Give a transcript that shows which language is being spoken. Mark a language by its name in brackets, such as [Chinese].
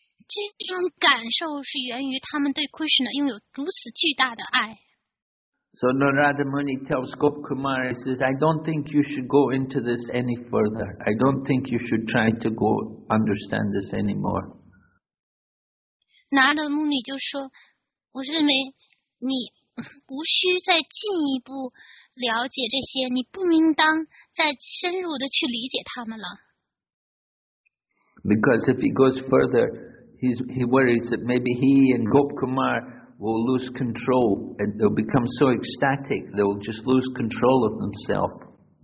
[Chinese] 这种感受是源于她们对 Krishna 拥有如此巨大的爱。 [English] So Narada Muni tells Gop Kumar, he says, I don't think you should go into this any further. I don't think you should try to go understand this anymore. [Chinese] 拿的牧女就说，我认为你无需再进一步了解这些，你不应当再深入的去理解他们了。 [English] Because if he goes further, he worries that maybe he and Gop Kumar will lose control and they'll become so ecstatic they'll just lose control of themselves.